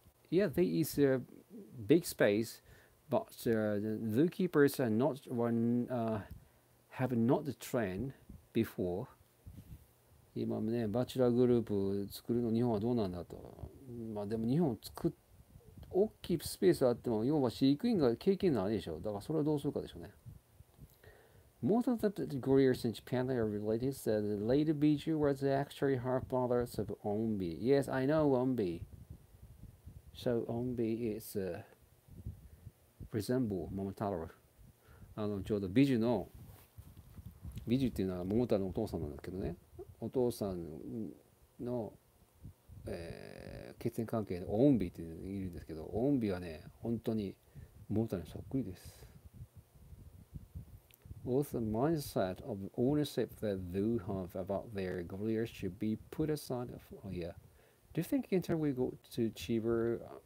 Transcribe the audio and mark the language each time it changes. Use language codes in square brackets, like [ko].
[en] Yeah, there is a big space, but the zookeepers have not trained before. [ja] 今ね、バチュラーグループ作るの日本はどうなんだと。まあでも日本作って大きいスペースがあっても、要は飼育員が経験ないでしょ。だからそれはどうするかでしょうね。 [en] Most of the gorillas in Japan are related. So the late Biju was actually half brothers of Ombi. Yes, I know Ombi. So Ombi is resemble Momotaro. [ja] あのちょうどビジュっていうのは Momotaro のお父さんなんだけどね。お父さんの血縁関係でオンビーっているんですけど、オンビーはね、本当にモータルにそっくりです。 [en] Also, the mindset of ownership that they have about their gorillas should be put aside of, oh yeah. Do you think in time we go to Chiba?